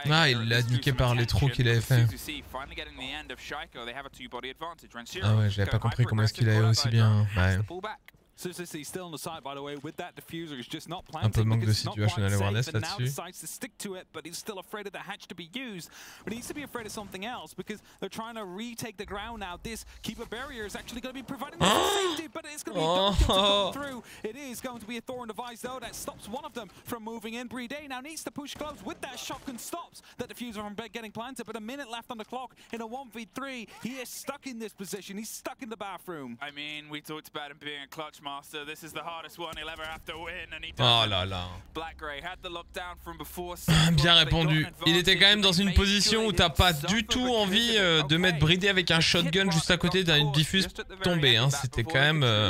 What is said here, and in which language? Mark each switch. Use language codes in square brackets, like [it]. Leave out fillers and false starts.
[fr] Ah, il l'a niqué par les trous qu'il avait fait. [en] Finally getting the end of Shaiko, they have a two-body advantage. [fr] Ah ouais, j'avais pas compris comment est-ce qu'il avait aussi bien. Ouais. [en] So still on the side, by the way, with that diffuser, he's just not planting. [fr] Un peu de manque de situation à l'awareness là-dessus. [en] Now decides to stick to it, but he's still afraid of the hatch to be used. But he needs to be afraid of something else because they're trying to retake the ground now. This keeper barrier is actually going to be providing the safety, but it's going to be difficult to come through. It is going to be a thorn device though that stops one of them from moving in. Bride now needs to push close with that shotgun, stops that diffuser from getting planted. But a minute left on the clock in a 1v3, he is stuck in this position. He's stuck in the bathroom. I mean, we talked about him being a clutch master. This is the hardest one he'll ever have to win, and he does. [fr] Oh là là. [en] Black Gray had the lockdown from before. [fr] Bien répondu. Il était quand même dans une position où t'as pas du tout envie de mettre Bridé avec un shotgun juste à côté d'un diffuse tombé. Hein. C'était quand même.